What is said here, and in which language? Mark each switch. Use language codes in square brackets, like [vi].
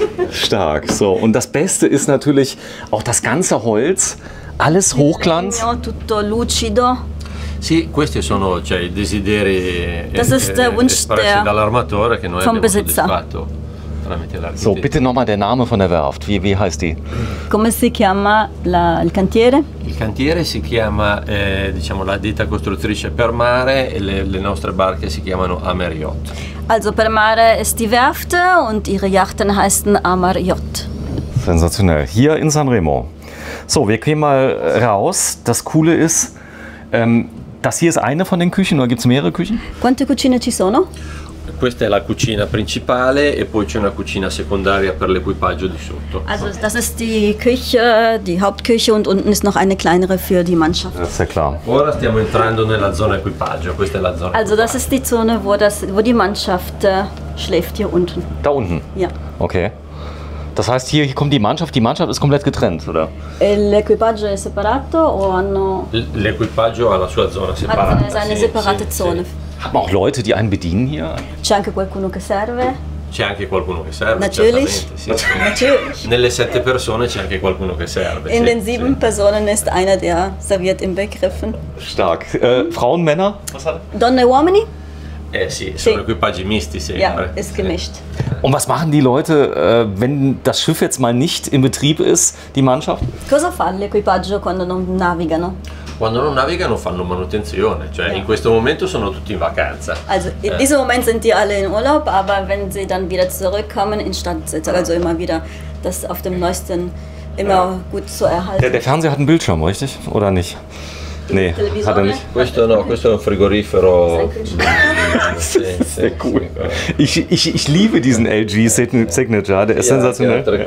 [de] Stark. So, und das Beste ist natürlich auch das ganze Holz, alles Hochglanz. [it] Tutto lucido. Sì, questi sono cioè i desideri espressi dall'armatore che noi abbiamo soddisfatto tramite l'architetto. [de] So, bitte nochmal der Name von der Werft. Wie heißt die? [it] Come si chiama il cantiere? Il cantiere si chiama, diciamo, la ditta costruttrice per mare e le nostre barche si chiamano Amer Yacht. [de] Also per mare ist die Werft und ihre Yachten heißen Amer Yacht. Sensationell. Hier in Sanremo. So, wir gehen mal raus. Das Coole ist, das hier ist eine von den Küchen oder gibt es mehrere Küchen? [it] Quante cucine ci sono? Questa è la cucina principale e poi c'è una cucina secondaria per l'equipaggio di sotto. [de] Also das ist die Küche, die Hauptküche und unten ist noch eine kleinere für die Mannschaft. Das ist ja klar. [it] Ora stiamo entrando nella zona equipaggio, questa è la zona. [de] Also das ist die Zone, wo die Mannschaft schläft, hier unten. Da unten? Ja. Okay. Das heißt, hier kommt die Mannschaft ist komplett getrennt, oder? [it] L'equipaggio è separato o hanno... L'equipaggio ha la sua zona separata. [de] Hat seine separate Zone. Haben auch Leute, die einen bedienen hier? [it] C'è anche qualcuno che serve. C'è anche qualcuno che serve, [de] natürlich. [it] Certamente. Sì. Nelle sette persone c'è anche qualcuno che serve. [de] In den sieben Personen ist einer, der serviert im Begriff. Stark. Frauen, Männer? [it] Donne e uomini? Sì, sono equipaggi misti sempre. [de] Ja, ist gemischt. Und was machen die Leute, wenn das Schiff jetzt mal nicht in Betrieb ist, die Mannschaft? [it] Cosa fa l'equipaggio quando non navigano? Quando non navigano fanno manutenzione, cioè in questo momento sono tutti in vacanza. [de] Also in diesem Moment sind die alle in Urlaub, aber wenn sie dann wieder zurückkommen, instand setzen, also immer wieder das auf dem neuesten, immer gut zu erhalten. Der Fernseher hat einen Bildschirm, richtig? Oder nicht? Nee, hat er nicht. [it] Questo no, questo è un frigorifero. [de] Sehr cool. Ich liebe diesen LG Signature, der ist sensationell.